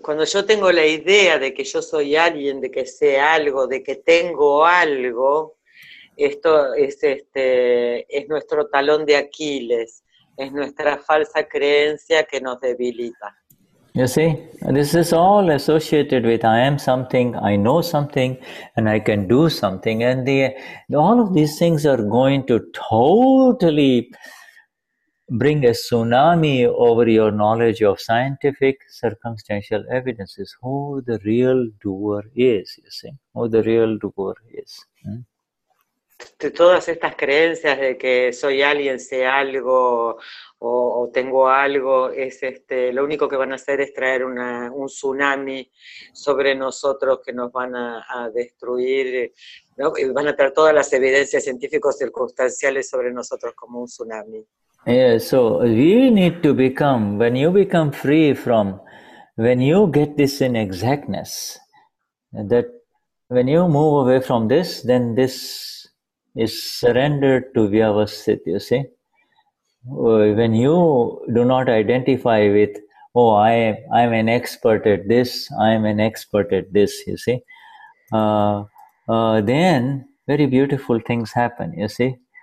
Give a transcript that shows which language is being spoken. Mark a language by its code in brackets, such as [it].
[es] Cuando yo tengo la idea de que yo soy alguien, de que sé algo, de que tengo algo, esto es es nuestro talón de Aquiles, es nuestra falsa creencia que nos debilita. [en] You see, this is all associated with I am something, I know something, and I can do something. And all of these things are going to totally bring a tsunami over your knowledge of scientific circumstantial evidences, who the real doer is, you see, who the real doer is. [es] De todas estas creencias de que soy alguien, sé algo o tengo algo, es lo único que van a hacer es traer un tsunami sobre nosotros que nos van a destruir, ¿no? Y van a traer todas las evidencias científicas circunstanciales sobre nosotros como un tsunami. [en] Yeah, so we need to become, when you become free from, when you get this in exactness, that when you move away from this, then this is surrendered to Vyavasthita, you see. When you do not identify with, I am an expert at this, I am an expert at this, you see, then very beautiful things happen, you see.